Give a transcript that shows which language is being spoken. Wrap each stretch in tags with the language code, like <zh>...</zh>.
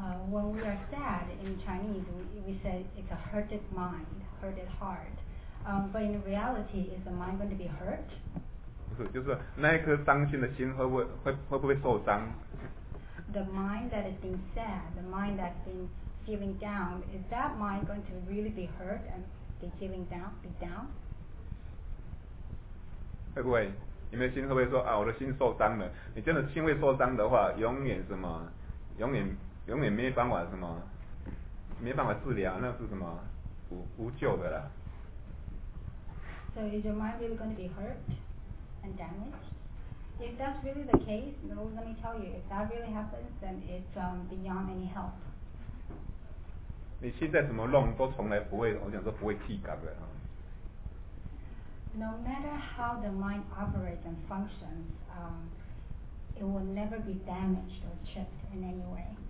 <en>When we are sad in Chinese, we say it's a hurted mind, hurted heart. But in reality, is the mind going to be hurt?</en> <zh>不是，就是那一颗伤心的心会不会受伤？</zh> <en>The mind that is being sad, the mind that's been feeling down, is that mind going to really be hurt and be feeling down, be down?</en> <zh>会不会你们心会不会说啊，我的心受伤了？你真的心会受伤的话，永远没办法什么，没办法治疗，那是什么无救的啦。</zh> <en>So is your mind really going to be hurt and damaged? If that's really the case, no, let me tell you, if that really happens, then it's beyond any help.</en> <zh>你现在怎么弄都从来不会，我想说不会气感的哈。</zh> <en>No matter how the mind operates and functions, it will never be damaged or chipped in any way.</en>